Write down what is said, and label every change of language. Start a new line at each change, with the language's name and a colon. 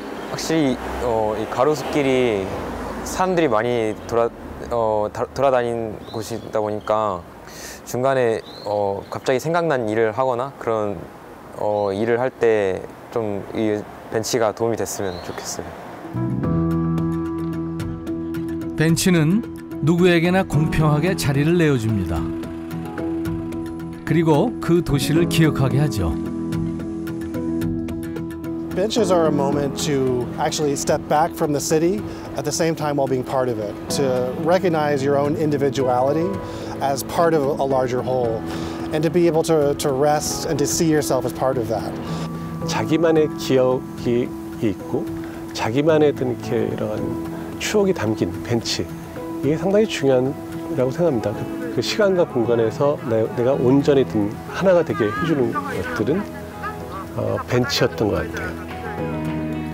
Korean: 확실히 이 가로수길이 사람들이 많이 돌아다닌 곳이다 보니까 중간에 갑자기 생각난 일을 하거나 그런 일을 할 때 좀 이 벤치가 도움이 됐으면 좋겠어요. 벤치는 누구에게나 공평하게 자리를 내어줍니다. 그리고 그 도시를 기억하게 하죠.
English: Benches are a moment to actually step back from the city at the same time while being part of it, to recognize your own individuality as part of a larger whole, and to be able to rest and to see yourself as part of that.
Korean: 자기만의 기억이 있고 자기만의 어떤 이렇게 이런 추억이 담긴 벤치, 이게 상당히 중요하다고 생각합니다. 그 시간과 공간에서 내가 온전히 든 하나가 되게 해주는 것들은 벤치였던 것 같아요.